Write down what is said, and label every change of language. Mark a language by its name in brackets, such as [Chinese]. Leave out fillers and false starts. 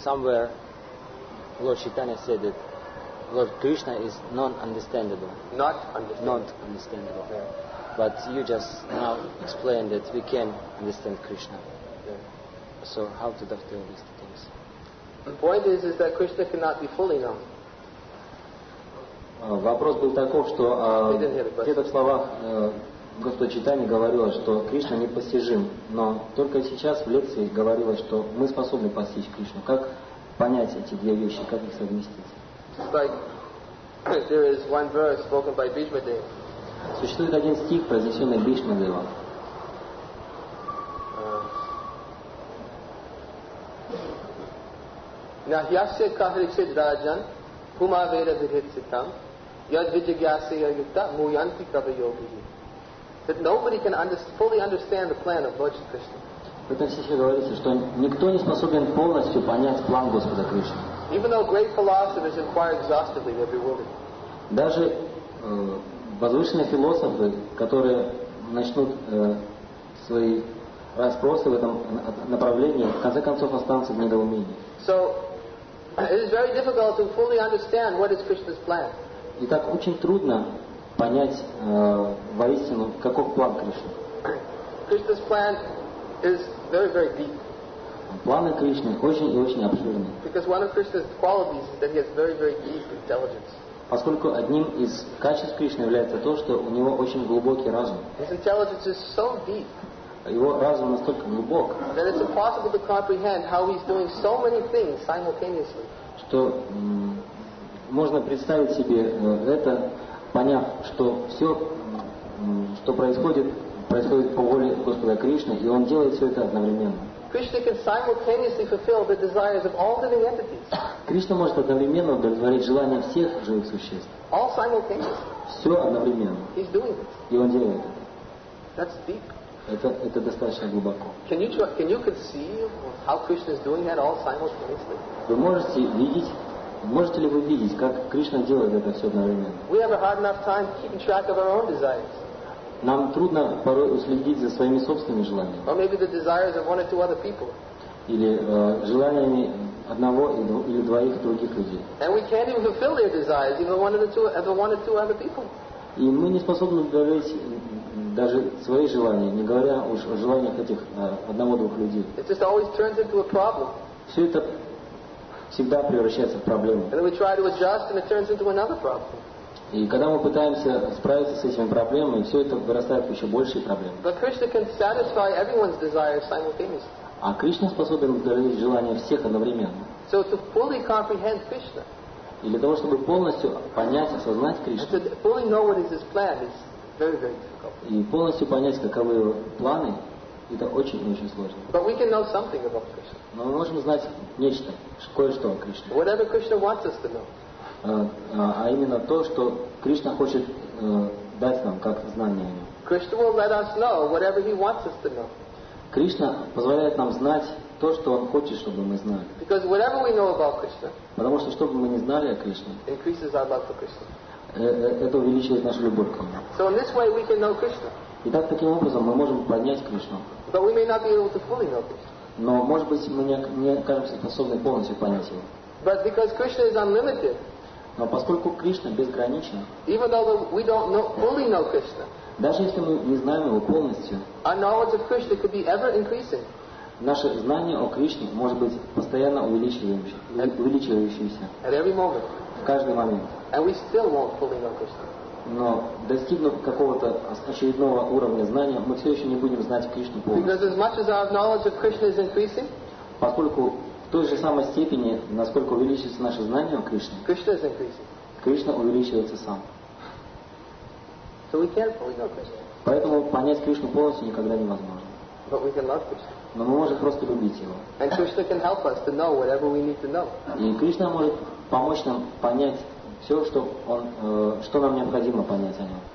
[English] Somewhere, Lord Chaitanya said that Lord Krishna is non-understandable. Not understandable. Not understandable. Yeah. But you just now explained that we can understand Krishna. Yeah. So how to dovetail these two things? The point is that Krishna cannot be fully known. [Russian] Вопрос был таков, что где-то в словах Господа Чайтаньи говорилось, что Кришна непостижим. Но только сейчас в лекции говорилось, что мы способны постичь Кришну. Как понять эти две вещи, как их совместить? [English] Just like there is one verse spoken by Bhishma Dev. [Russian] Существует один стих, произнесенный Бхишма Девом. [Sanskrit] Нахьяся кахриксит раджан, хума веда дхитситам, яд виджагьяса ягитта муянти кава йогиги. [English] That nobody can fully understand the plan of Lord Krishna. [Russian] В этом стихе говорится, что никто не способен полностью понять план Господа Кришны. [English] Even though great philosophers inquire exhaustively every word. [Russian] Даже возвышенные философы, которые начнут свои расспросы в этом направлении, в конце концов останутся в недоумении. [English] So, it is very difficult to fully understand what is Krishna's plan. [Russian] Итак, очень трудно понять воистину, каков план Кришны. [English] Krishna's plan is very, very deep. [Russian] Планы Кришны очень и очень обширны. [English] Because one of Krishna's qualities is that he has very, very deep intelligence. [Russian] Поскольку одним из качеств Кришны является то, что у него очень глубокий разум. [English] His intelligence is so deep, [Russian] его разум настолько глубок, [English] that it's impossible to comprehend how he's doing so many things simultaneously. [Russian] Что можно представить себе это, поняв, что все, что происходит по воле Господа Кришны, и он делает все это одновременно. [English] Krishna can simultaneously fulfill the desires of all living entities. [Russian] Кришна может одновременно удовлетворить желания всех живых существ. [English] All simultaneously. [Russian] Все одновременно. [English] He's doing this. [Russian] И он делает это. [English] That's deep. [Russian] Это достаточно глубоко. [English] Can you conceive how Krishna is doing that all simultaneously? [Russian] Вы можете видеть, можете ли вы видеть, как Кришна делает это все одновременно? [English] We have a hard enough time keeping track of our own desires. [Russian] Нам трудно порой уследить за своими собственными желаниями. [English] Or maybe the desires of one or two other people. [Russian] Или желаниями одного или двоих других людей. [English] And we can't even fulfill their desires, even one or two other people. [Russian] И мы не способны удовлетворить даже свои желания, не говоря уж о желаниях этих одного-двух людей. [English] It just always turns into a problem. [Russian] Все это всегда превращается в проблему. [English] And then we try to adjust, and it turns into another problem. [Russian] И когда мы пытаемся справиться с этими проблемами, все это вырастает в еще большие проблемы. [English] But Krishna can satisfy everyone's desires simultaneously. [Russian] А Кришна способен удовлетворить желания всех одновременно. [English] So to fully comprehend Krishna, [Russian] и для того, чтобы полностью понять, осознать Кришну, [English] and to fully know what is his plan, is very, very difficult. [Russian] И полностью понять, каковы его планы, это очень-очень сложно. [English] But we can know something about Krishna. [Russian] Но мы можем знать нечто, кое-что о Кришне. [English] Whatever Krishna wants us to know. [Russian] А именно то, что Кришна хочет дать нам как знание о нем. [English] Krishna will let us know whatever he wants us to know. [Russian] Кришна позволяет нам знать то, что он хочет, чтобы мы знали. [English] Because whatever we know about Krishna, [Russian] потому что что бы мы ни знали о Кришне, [English] increases our love for Krishna. [Russian] Это увеличивает нашу любовь к нему. [English] So in this way we can know Krishna. [Russian] Итак, таким образом мы можем понять Кришну. [English] But we may not be able to fully know Krishna. [Russian] Но может быть мы не окажемся способны полностью понять его. [English] But because Krishna is unlimited. [Russian] Но поскольку Кришна безграничен, [English] even though we don't know, fully know Krishna, [Russian] даже если мы не знаем его полностью, [English] our knowledge of Krishna could be ever increasing. [Russian] Наше знание о Кришне может быть постоянно увеличивающееся. [English] At every moment. [Russian] В каждый момент. [English] And we still won't fully know Krishna. [Russian] Но достигнув какого-то очередного уровня знания, мы все еще не будем знать Кришну полностью. [English] Because as much as our knowledge of Krishna is increasing, [Russian] поскольку в той же самой степени, насколько увеличивается наше знание о Кришне, Кришна увеличивается сам. [English] So we can't fully know Krishna. [Russian] Поэтому понять Кришну полностью никогда невозможно. [English] But we can love Krishna. [Russian] Но мы можем просто любить Его. [English] And Krishna can help us to know whatever we need to know. [Russian] И Кришна может помочь нам понять все, что, он, что нам необходимо понять о Нем.